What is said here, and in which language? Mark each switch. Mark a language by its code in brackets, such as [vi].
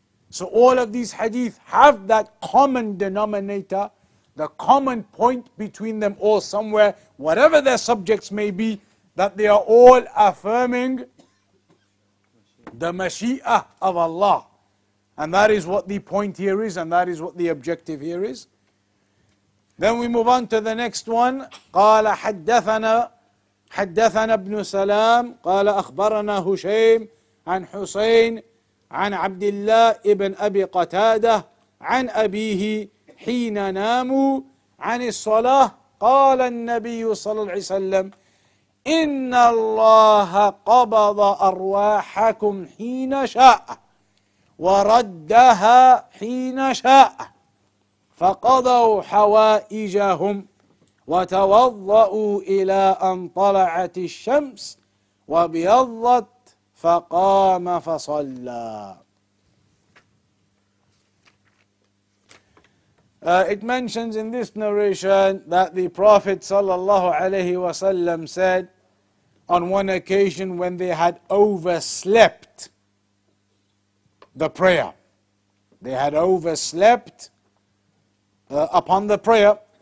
[en] So all of these hadith have that common denominator, the common point between them all somewhere, whatever their subjects may be, that they are all affirming the mashi'ah of Allah. And that is what the point here is, and that is what the objective here is. Then we move on to the next one. [ar] قال حدثنا حدثنا ابن سلام قال أخبرنا هشيم عن حسين عن عبد الله ابن أبي قتادة عن أبيه حين ناموا عن الصلاة قال النبي صلى الله عليه وسلم إن الله قبض أرواحكم حين شاء وردها حين شاء فقضوا حوائجهم وتوضؤوا إلى أن طلعت الشمس وبيضت فقام فصلى. [en] It mentions in this narration that the Prophet sallallahu alayhi wasallam said on one occasion when they had overslept the prayer. They had overslept upon the prayer.